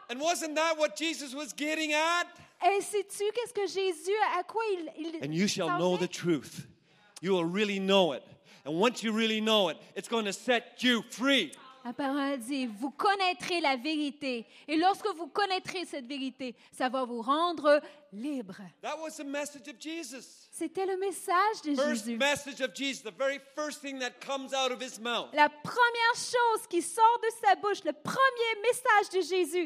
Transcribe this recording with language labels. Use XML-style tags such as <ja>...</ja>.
<en>And wasn't that what Jesus was getting at?</en> <fr>Et sais-tu qu'est-ce que Jésus à quoi il parlait?</fr> <en>And you shall know the truth. You will really know it. And once you really know it, it's going to set you free.</en> <fr>La parole dit, vous connaîtrez la vérité. Et lorsque vous connaîtrez cette vérité, ça va vous rendre libre.</fr> <en>That was the message of Jesus.</en> <fr>C'était le message de</fr> <en>first</en> <fr>Jésus.</fr> <en>Message of Jesus, the very first thing that comes out of his mouth.</en> <fr>La première chose qui sort de sa bouche, le premier message de Jésus.</fr>